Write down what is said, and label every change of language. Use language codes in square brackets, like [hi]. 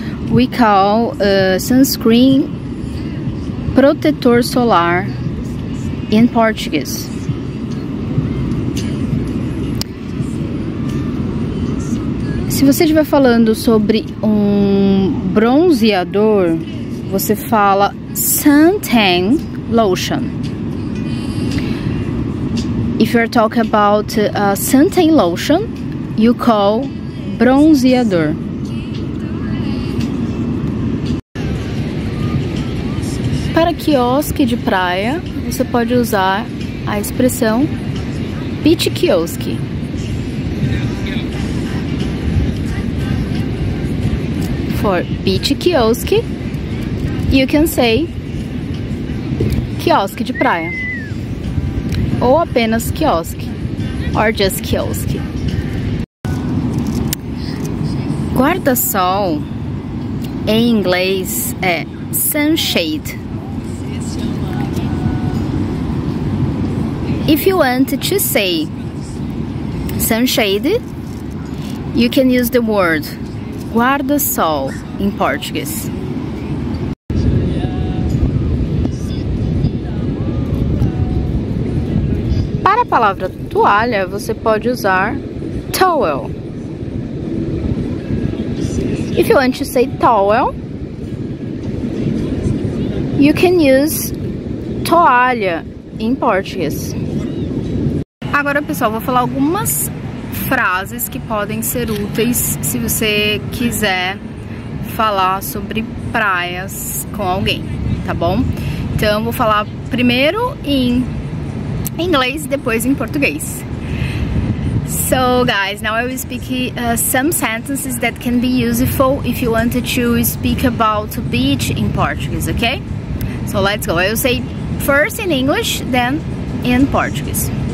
[en] We call sunscreen protetor solar in Portuguese. [pt] Se você estiver falando sobre um bronzeador, você fala suntan lotion. [en] If you're talking about a suntan lotion, you call bronzeador. [pt] Para quiosque de praia, você pode usar a expressão beach kiosk. [en] For beach kiosk, you can say quiosque de praia. [pt] Ou apenas quiosque. [en] Or just kiosk. [pt] Guarda-sol em inglês é sunshade. [en] If you want to say sunshade, you can use the word guarda-sol in Portuguese. [pt] Para a palavra toalha, você pode usar towel. [en] If you want to say towel, you can use toalha in Portuguese. [pt] Agora, pessoal, vou falar algumas frases que podem ser úteis se você quiser falar sobre praias com alguém, tá bom? Então, vou falar primeiro em inglês e depois em português. [en] So, guys, now I will speak some sentences that can be useful if you wanted to speak about beach in Portuguese, ok? So, let's go. I will say first in English, then in Portuguese.